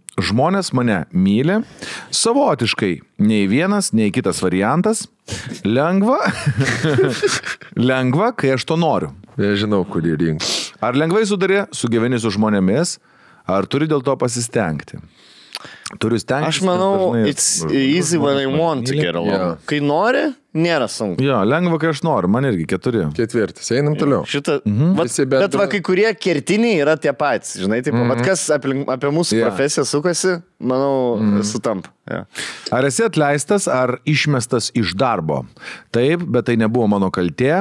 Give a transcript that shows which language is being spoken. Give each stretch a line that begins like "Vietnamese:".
Lithuanian: Žmonės mane myli. Savotiškai nei vienas, nei kitas variantas. Lengva, lengva kai aš to noriu. Nežinau, kurį rinkti. Ar lengvai sutarė su gyveni su žmonėmis, ar turi dėl to pasistengti? Turiu stengtis.
English: Aš manau, it's easy when I want to get along.
Lithuanian: Yeah. Kai nori, nėra sunku. Jo, lengva, kai aš noriu. Man irgi keturi. Ketvirtis. Einam toliau. Šita, bet va, kai kurie kertiniai yra tie patys. Žinai, taip, mm-hmm. kas apie mūsų profesiją sukasi, manau, sutampa.
English: Yeah.
Lithuanian: Ar esi atleistas, ar išmestas iš darbo? Taip, bet tai nebuvo mano kaltė.